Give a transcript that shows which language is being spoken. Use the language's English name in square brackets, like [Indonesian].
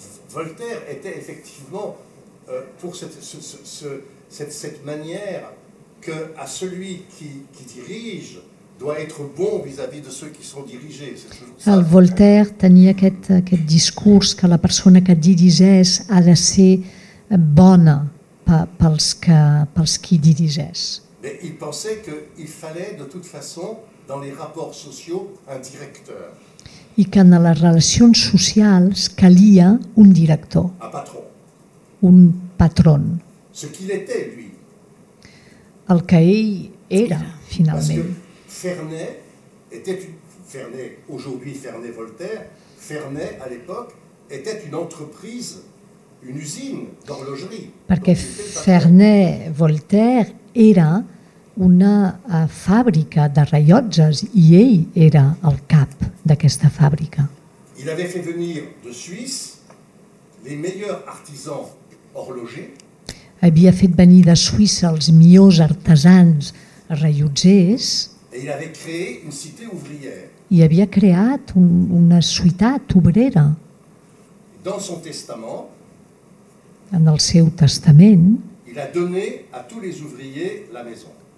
[French] Voltaire était effectivement pour cette manière que à celui qui dirige doit être bon vis-à-vis de ceux qui sont dirigés. [Catalan] El Voltaire tenia aquest discurs que la persona que dirigeix ha de ser bona pels qui dirigeix. [French] Mais il pensait qu'il fallait de toute façon dans les rapports sociaux un directeur. [Catalan] I que en les relacions socials calia un director. [French] Un patron. Un patron. Ce qu'il était, lui. [Catalan] El que ell era, finalement. [French] Ferney était une... Ferney, aujourd'hui Ferney Voltaire, Ferney, à l'époque, était une entreprise, une usine d'horlogerie. [Catalan] Perquè Ferney Voltaire era una fàbrica de rellotges i ell era el cap d'aquesta fàbrica. [French] Il avait fait venir de Suisse les meilleurs artisans horlogers. [Catalan] Havia fet venir de Suïssa els millors artesans rellotgers. [French] Il avait créé une cité ouvrière. [Catalan] I havia creat una ciutat obrera. [French] Dans son testament, [Catalan] en el seu testament, [French] il a donné à tous les ouvriers la maison.